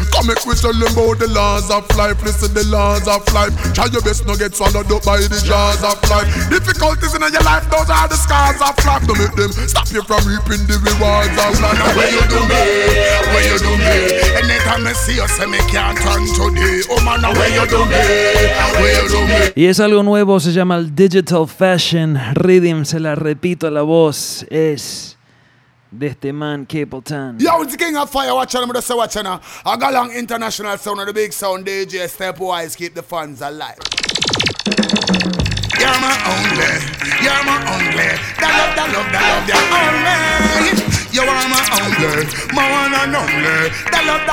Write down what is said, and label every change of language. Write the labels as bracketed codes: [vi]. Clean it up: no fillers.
[en] Come make we tell him about the laws of life. Listen the laws of life. Try your best not get swallowed up by the jaws of life. Difficulties in your life, those are the scars of life. Don't make them stop you from reaping the rewards of life. Now, where you do me? Where you do me? Anytime I see you, say me can't turn today. Oh man, now where you do me? Where you do me? [es] Y es algo nuevo, se llama el Digital Fashion Rhythm. Se la repito, la voz es de este man, Capleton. [en] Yo, it's the King of Fire, watching him, just watching him. I got long international sound of the big sound, DJ Stepwise, keep the fans alive. You're my only, you're my only. That love, that love, that love, you're only. You are my only, my one and only. That